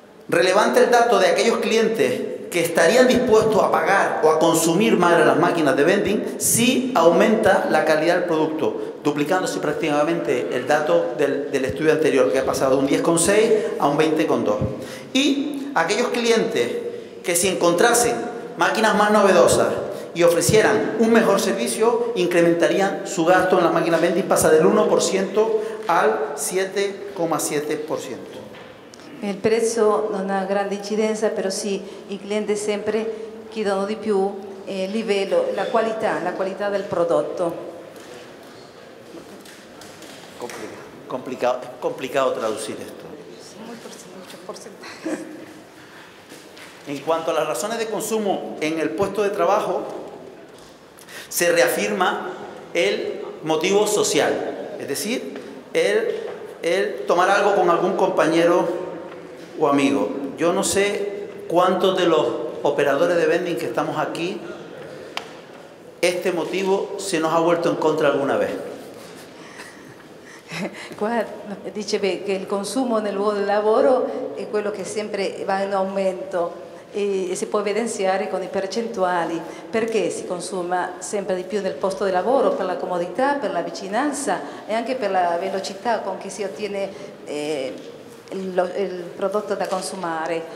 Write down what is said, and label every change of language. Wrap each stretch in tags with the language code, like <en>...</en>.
<es>Relevante el dato de aquellos clientes que estarían dispuestos a pagar o a consumir más en las máquinas de vending si aumenta la calidad del producto, duplicándose prácticamente el dato del estudio anterior, que ha pasado de un 10,6 a un 20,2. Y aquellos clientes que si encontrasen máquinas más novedosas y ofrecieran un mejor servicio, incrementarían su gasto en las máquinas vending, pasa del 1% al 7,7%.</es> <it>Il prezzo non ha grande incidenza, però sì, i clienti sempre chiedono di più il livello, la qualità del prodotto. Complicato tradurre questo. In quanto alle ragioni di consumo nel posto di lavoro, si riafferma il motivo sociale,</it> <es>es decir,</es> <it>il</it> <es>tomar algo con algún compañero o amigo. Yo no sé cuántos de los operadores de vending que estamos aquí, este motivo se nos ha vuelto en contra alguna vez.</es> <it>qua dice che il consumo nel luogo del lavoro è quello che sempre va in aumento e si può evidenziare con i percentuali. Perché si consuma sempre di più nel posto di lavoro? Per la comodità, per la vicinanza e anche per la velocità con cui si ottiene il prodotto da consumare.</it>